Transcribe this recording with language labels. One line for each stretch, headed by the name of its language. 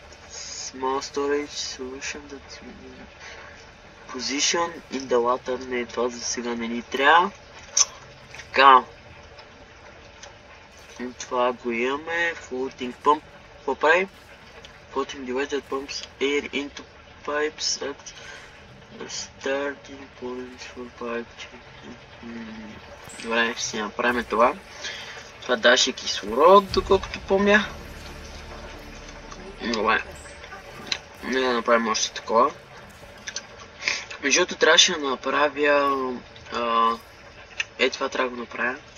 English: Small storage solution that's... Position in the water,
Bulgarian: не, това за сега не ни трябва. Така. Това го имаме. Floating pump. Какво прави?
English: Floating device that pumps air into pipes at starting points for pipe checking.
Bulgarian: Добре, ще си направим това. Това даше кислород, доколкото помня. Добре. Не да направим още такова. Междуто трябваше да направя... това трябва да го направя.